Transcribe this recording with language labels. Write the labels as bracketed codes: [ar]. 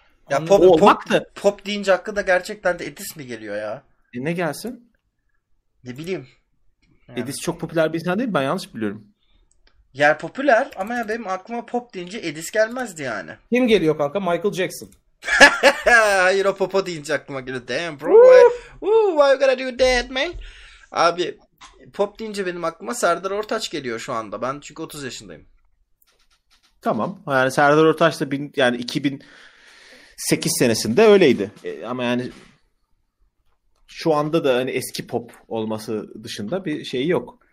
[tr] Ya pop deyince hakkında gerçekten de Edis mi geliyor ya? Ne gelsin? Ne bileyim. Yani. Edis çok popüler bir insan değil mi? Ben yanlış biliyorum. Yani popüler ama ya benim aklıma pop deyince Edis gelmezdi yani. Kim geliyor kanka? Michael Jackson. Hayır o popo deyince aklıma geliyor. [en] Damn bro. Why you gotta do that man? [tr] Abi pop deyince benim aklıma Serdar Ortaç geliyor şu anda. Ben çünkü 30 yaşındayım. Tamam. Yani Serdar Ortaç da yani 2008 senesinde öyleydi. Ama yani şu anda da hani eski pop olması dışında bir şey yok.